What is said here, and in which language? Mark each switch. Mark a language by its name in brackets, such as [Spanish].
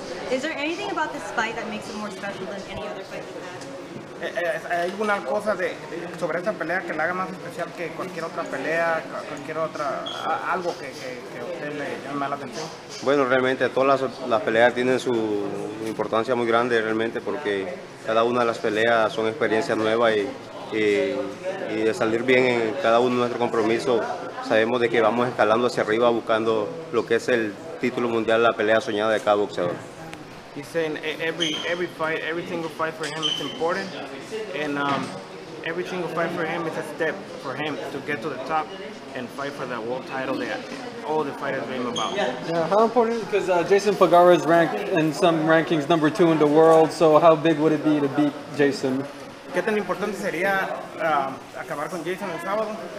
[English] Is there anything about this fight that makes it more special than any other fight you've had? [Spanish] ¿Hay alguna cosa sobre esta pelea que la haga más especial que cualquier otra pelea, cualquier otra, algo que usted le llame la atención? Bueno, realmente todas las peleas tienen su importancia muy grande, realmente, porque cada una de las peleas son experiencias nuevas, y de salir bien en cada uno de nuestros compromisos, sabemos de que vamos escalando hacia arriba buscando lo que es el título mundial, la pelea soñada de cada boxeador. [English] He's saying every fight, every single fight for him is important, and every single fight for him is a step for him to get to the top and fight for that world title that all the fighters dream about. Yeah, how important is it? Because Jason Pagara is ranked in some rankings number 2 in the world, so how big would it be to beat Jason? [Spanish] ¿Qué tan importante sería acabar con Jason el sábado?